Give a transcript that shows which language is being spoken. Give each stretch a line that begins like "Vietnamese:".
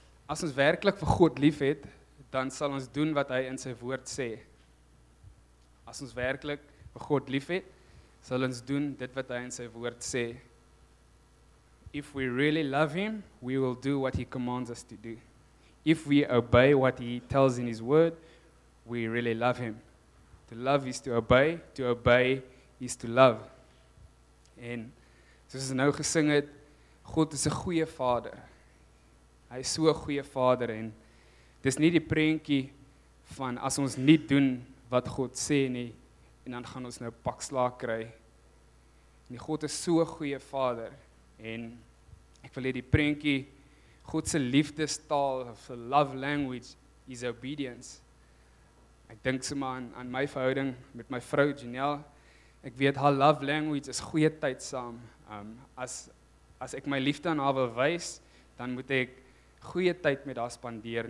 Afrikaans: As ons werklik vir God lief het, dan sal ons doen wat hy in sy woord sê. As ons werklik vir God lief het, sal ons doen dit wat hy in sy woord sê.
English: If we really love him, we will do what he commands us to do. If we obey what he tells in his word, we really love him. To love is to obey is to love.
Afrikaans: En soos ons nou gesing het, God is 'n goeie vader. Hy is so 'n goeie vader en dis nie die prentjie van as ons nie doen wat God sê nie, en dan gaan ons nou pak slaag kry. Nee, God is so 'n goeie vader en ek wil hê die prentjie God se liefdestaal,
English: the love language, is obedience.
Afrikaans: Ek dink sommer aan my verhouding met my vrou Janelle. Ek weet haar
English: love language
Afrikaans: is goeie tyd saam. As ek my liefde aan haar wil wys, dan moet ek goeie tyd met haar spandeer.